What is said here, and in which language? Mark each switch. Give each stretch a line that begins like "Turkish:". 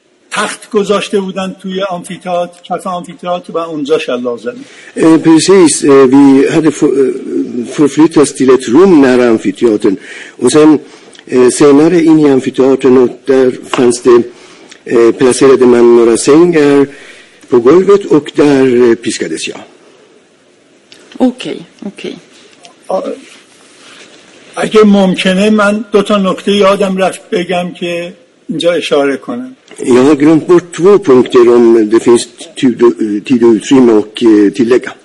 Persian: تخت گذاشته بودن توی آمفی‌تئاتر، کف آمفی‌تئاتر و اونجا شلاق زدن.
Swedish: Precis, vi hade förflyttats till ett rum nära amfiteatern. Och sen senare in i amfiteatern, och där fanns det placerade man några sängar på golvet, och där piskades jag. Okej, okej.
Persian: اگه ممکنه من دو تا نکته یادم رفت بگم که اینجا اشاره کنم.
Swedish: Jag har glömt bort två punkter, om det finns tid och utrymme att tillägga.